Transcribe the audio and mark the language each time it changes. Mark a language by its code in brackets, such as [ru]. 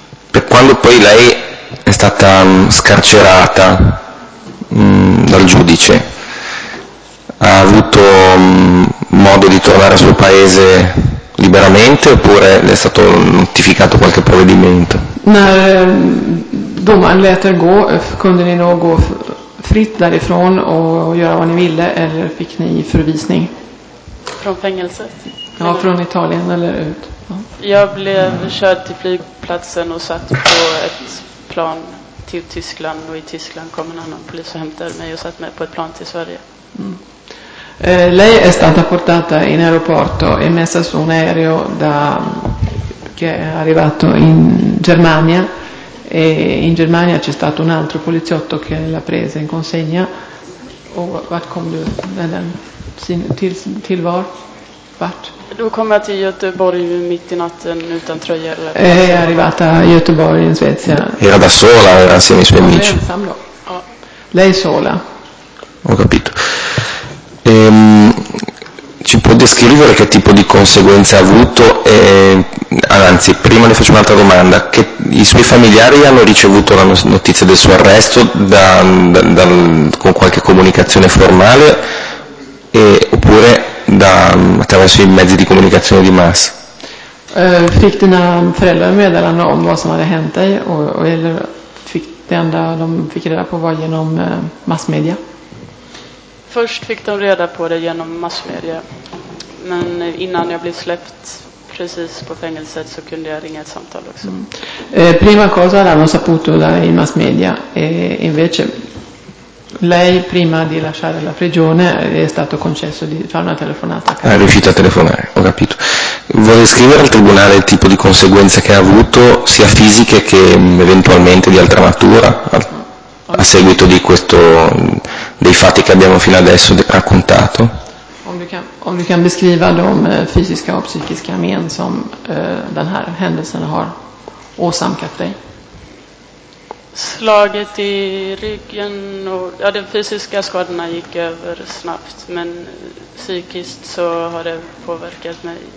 [it] Per quando poi lei è stata scarcerata dal giudice, ha avuto modo di tornare al suo paese liberamente oppure le è stato notificato qualche provvedimento? [sv] När domaren lät er gå, kunde ni nog gå fritt därifrån och göra vad ni ville eller fick ni förvisning? Från fängelset? Ja, från Italien eller ut. Ja. Jag blev körd till flygplatsen och satt på ett plan till Tyskland och i Tyskland kom en annan polis och hämtade mig och satt med på ett plan till Sverige. Mm. [it] Lei è stata portata in aeroporto e messa su un aereo che è arrivato in Germania e in Germania c'è stato un altro poliziotto che l'ha presa in consegna. [sv] Vart kom du med den? Till var? Vart? Då kom jag till Göteborg mitt i natten utan tröja eller? [it] È arrivata a Göteborg in Svezia. Era da sola, era insieme ai suoi amici? Lei sola. Ho capito. Ci può descrivere che tipo di conseguenze ha avuto? Anzi, prima le faccio un'altra domanda. Che i suoi familiari hanno ricevuto la notizia del suo arresto con qualche comunicazione formale oppure attraverso i mezzi di comunicazione di massa? [sv] Fick dina föräldrar meddelande om vad som hade hänt dig eller fick det enda de fick reda på var genom massmedia? Först fick de reda på det genom massmedia, men innan jag blev släppt precis på fängelset så kunde jag ringa ett samtal också. Mm. [it] Prima cosa l'hanno saputo dai massmedia e invece lei prima di lasciare la prigione è stato concesso di fare una telefonata. È riuscito a telefonare, ho capito. Vuole scrivere al tribunale il tipo di conseguenze che ha avuto, sia fisiche che eventualmente di altra natura, a seguito di questo, dei fatti che abbiamo fino adesso raccontato? [sv] Om du kan beskriva de fysiska och psykiska men som den här händelsen har åsamkat dig? Slaget i ryggen och de fysiska skadorna gick över snabbt, men psykiskt så har det påverkat mig.